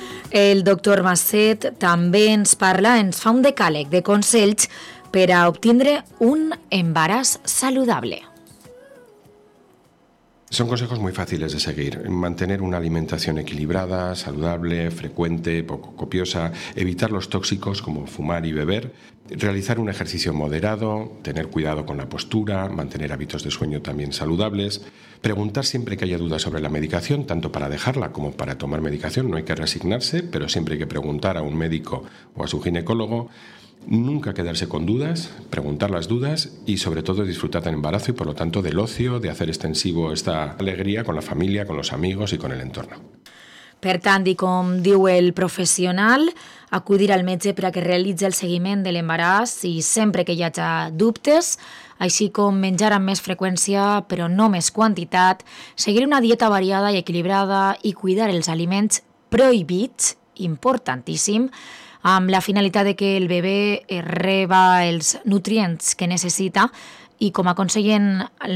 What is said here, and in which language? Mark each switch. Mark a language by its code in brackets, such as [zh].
[ca] El doctor Masset també ens parla, ens fa un decàleg de consells per a obtindre un embaràs saludable. [es] Son consejos muy fáciles de seguir. Mantener una alimentación equilibrada, saludable, frecuente, poco copiosa, evitar los tóxicos como fumar y beber, realizar un ejercicio moderado, tener cuidado con la postura, mantener hábitos de sueño también saludables, preguntar siempre que haya dudas sobre la medicación, tanto para dejarla como para tomar medicación, no hay que resignarse, pero siempre hay que preguntar a un médico o a su ginecólogo. Nunca quedarse con dudas, preguntar las dudas y sobre todo disfrutar del embarazo y por lo tanto del ocio, de hacer extensivo esta alegría con la familia, con los amigos y con el entorno. [ca] Per tant, i com diu el professional, acudir al metge per a que realitzi el seguiment de l'embaràs i sempre que hi hagi dubtes, així com menjar amb més freqüència però no més quantitat, seguir una dieta variada i equilibrada i cuidar els aliments prohibits, importantíssim, amb la finalitat de que el bebè reba els nutrients que necessita i com aconseguen